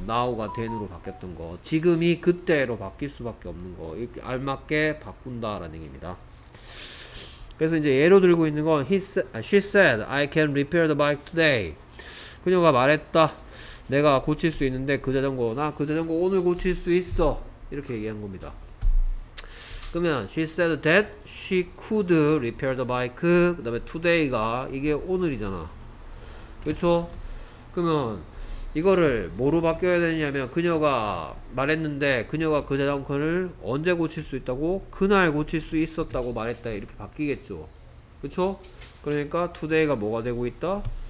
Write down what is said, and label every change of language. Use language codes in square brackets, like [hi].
[ko] now가 then으로 바뀌었던 거 지금이 그때로 바뀔 수밖에 없는 거 이렇게 알맞게 바꾼다라는 얘기입니다. 그래서 이제 예로 들고 있는 건 [en] she said I can repair the bike today. [ko] 그녀가 말했다. 내가 고칠 수 있는데 그 자전거 나그 자전거 오늘 고칠 수 있어. 이렇게 얘기한 겁니다. [en] 그러면 she said that she could repair the bike. [ko] 그 다음에 today가 이게 오늘이잖아. 그렇죠? 그러면 이거를 뭐로 바뀌어야 되냐면 그녀가 말했는데 그녀가 그 자전거를 언제 고칠 수 있다고? 그날 고칠 수 있었다고 말했다. 이렇게 바뀌겠죠. 그렇죠? 그러니까 today가 뭐가 되고 있다?